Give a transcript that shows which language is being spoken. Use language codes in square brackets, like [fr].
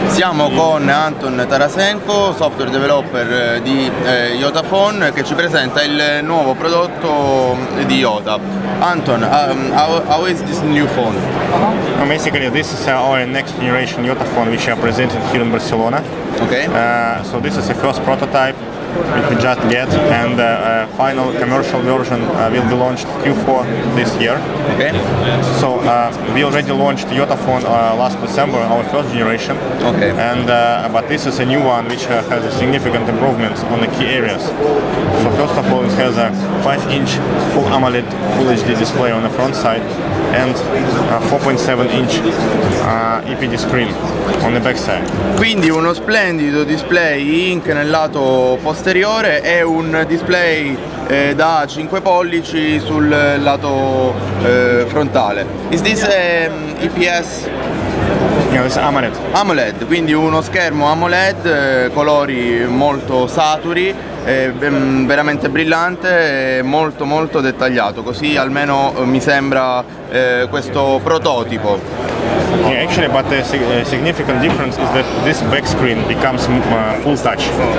[it] Siamo con Anton Tarasenko, software developer di Iotaphone, che ci presenta il nuovo prodotto di Iota. [en] Anton, how is this new phone? Basically, this is our next generation Iotaphone, which I presented here in Barcelona. Okay. So this is the first prototype we could just get, and the final commercial version will be launched Q4 this year. Okay. So we already launched Iotaphone last December, our first generation. Okay. And but this is a new one which has a significant improvement on the key areas. So first of all, it has a 5-inch full AMOLED Full HD display on the front side and a 4.7-inch IPD screen on the back side. [it] Quindi uno splendido display ink nel lato posteriore e un display da 5 pollici sul lato frontale. [en] Is this IPS? Yeah, it's AMOLED. [it] AMOLED, quindi uno schermo AMOLED, colori molto saturi, veramente brillante e molto molto dettagliato, così almeno mi sembra questo prototipo. [en] Yeah, actually, but the significant difference is that this back screen becomes full touch.